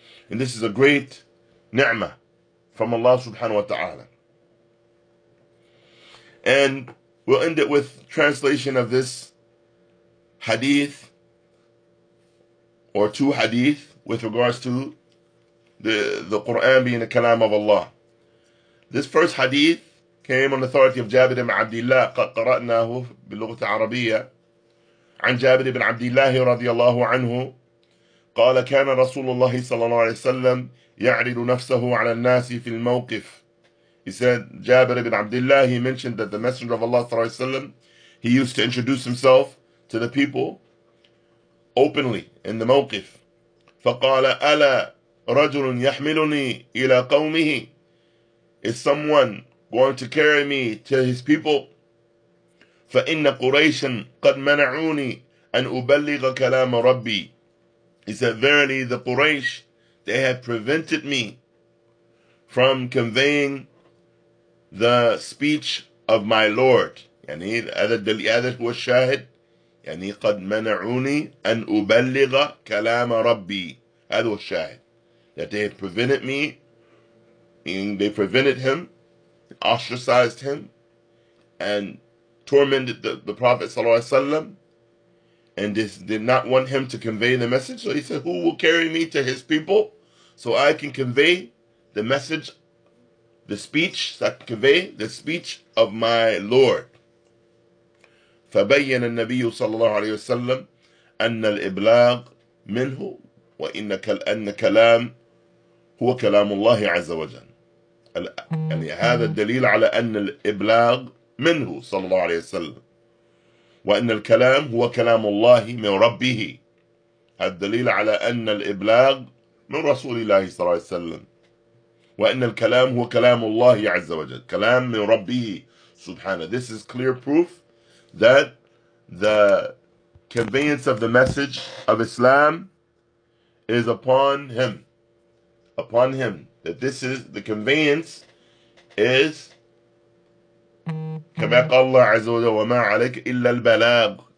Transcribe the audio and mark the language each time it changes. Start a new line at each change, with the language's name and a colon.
English: And this is a great ni'mah from Allah subhanahu wa ta'ala. And we'll end it with translation of this hadith, or two hadith, with regards to the Quran being the kalam of Allah. This first hadith came on the authority of Jabir ibn Abdullah,
Arabic: قَدْ قَرَأْنَاهُ بِاللُّغَةِ الْعَرَبِيَّةِ عَنْ جَابِرِ بْنِ عَبْدِ اللَّهِ رَضِيَ اللَّهُ عَنْهُ قال كان رسول الله صلى الله عليه وسلم يعرض نفسه على الناس في الموقف.
English: He said, Jabir ibn Abdullah, he mentioned that the Messenger of Allah sallallahu alayhi wa sallam, he used to introduce himself to the people openly in the mawqif.
Arabic: فَقَالَ أَلَا رَجُلٌ يَحْمِلُنِي إِلَىٰ قَوْمِهِ.
English: Is someone going to carry me to his people?
Arabic: فَإِنَّ قُرَيْشًا قَدْ مَنَعُونِي أَنْ أُبَلِّغَ كَلَامَ رَبِّي.
English: He said, verily the Quraysh, they have prevented me from conveying the speech of my Lord.
Arabic: يعني هذا هو الشاهد. يعني قد منعوني أن أبلغ كلام ربي. هذا هو الشاهد.
English: That they have prevented me, meaning they prevented him, ostracized him, and tormented the Prophet صلى الله عليه وسلم, and this did not want him to convey the message. So he said, who will carry me to his people so I can convey the message, the speech, so I can convey the speech of my Lord.
Arabic: فَبَيَّنَ النَّبِيُّ صَلَّى اللَّهُ عَلَيْهِ وَسَلَّمُ أَنَّ الْإِبْلَاغُ مِنْهُ وَإِنَّكَ الْأَنَّ كَلَامُ هُوَ كَلَامُ اللَّهِ عَزَّ وَجَلَّ. يعني هذا الدليل على أن الإبلاغ منه صلى الله عليه وسلم وأن الكلام هو كلام الله من ربه. الدليل على أن الإبلاغ من رسول الله صلى الله عليه وسلم وأن الكلام هو كلام الله عز وجل كلام من ربه سبحانه.
English: This is clear proof that the conveyance of the message of Islam is upon him, that this is the conveyance is
Arabic: كما قال الله عز وجل وما عليك إلا البلاغ.